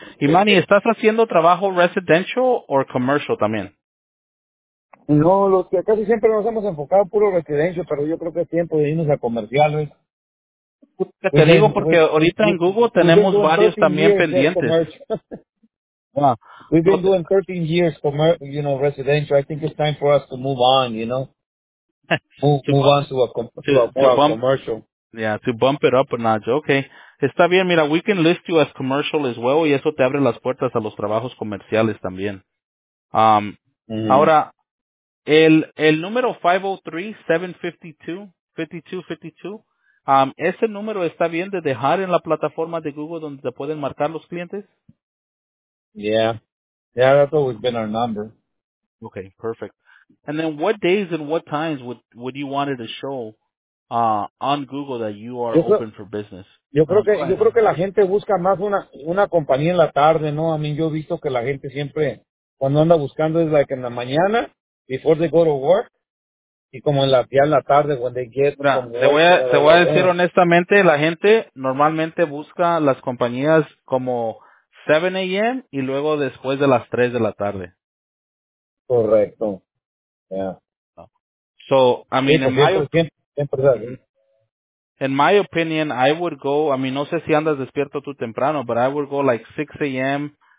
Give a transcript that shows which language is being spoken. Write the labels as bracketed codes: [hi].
[es] Y Manny, ¿estás haciendo trabajo residential o commercial también? No, los que casi siempre nos hemos enfocado puro residential, pero yo creo que es tiempo de irnos a comerciales. Te pues digo porque pues, ahorita en Google tenemos varios también pendientes. [en] We've been doing 13 years, you know, residential. I think it's time for us to move on, you know. Move on to a commercial. Yeah, to bump it up a notch. Okay. Está bien. Mira, we can list you as commercial as well, y eso te abre las puertas a los trabajos comerciales también. [es] Ahora, el número 503-752-5252, ¿ese número está bien de dejar en la plataforma de Google donde te pueden marcar los clientes? [en] Yeah, that's always been our number. Okay, perfect. And then what days and what times would you want it to show on Google that you are open for business? [es] Yo creo que la gente busca más una compañía en la tarde, ¿no? I mean, yo he visto que la gente siempre, cuando anda buscando, es like en la mañana, before they go to work. Y como en la tarde, when they get... Mira, te voy a decir honestamente, la gente normalmente busca las compañías como 7 a.m. y luego después de las 3 de la tarde. Correcto. Yeah. [en] So, I mean, in my opinion, I would go, I mean, no sé si andas despierto tú temprano, but I would go like 6 a.m.